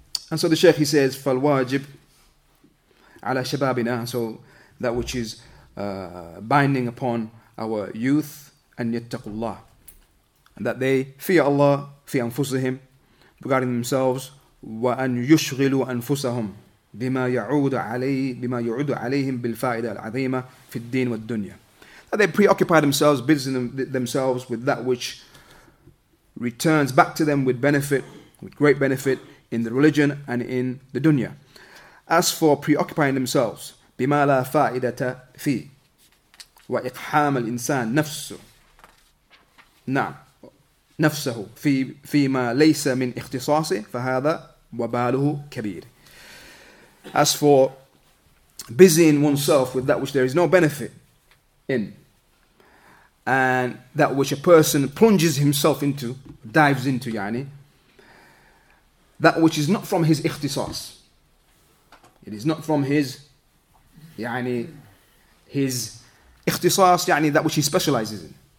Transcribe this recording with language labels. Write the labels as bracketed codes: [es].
[en] And so the Sheikh, he says, [ar] فالواجب على شبابنا, [en] so that which is binding upon our youth, [ar] أن يتقوا الله, [en] and that they fear Allah [ar] في أنفسهم, [en] regarding themselves, [ar] وأن يشغلوا أنفسهم بما يعود عليهم بالفائدة العظيمة في الدين والدنيا. [en] That they preoccupy themselves, busy themselves with that which returns back to them with benefit, with great benefit in the religion and in the dunya. As for preoccupying themselves [ar] بما لا فائدة فيه وإقحام الإنسان نفسه, نعم, نفسه فيما ليس من اختصاصه فهذا وباله كبير. [en] As for busying oneself with that which there is no benefit in, and that which a person plunges himself into, dives into, يعني, that which is not from his اختصاص, it is not from his, يعني, his اختصاص, يعني, that which he specializes in.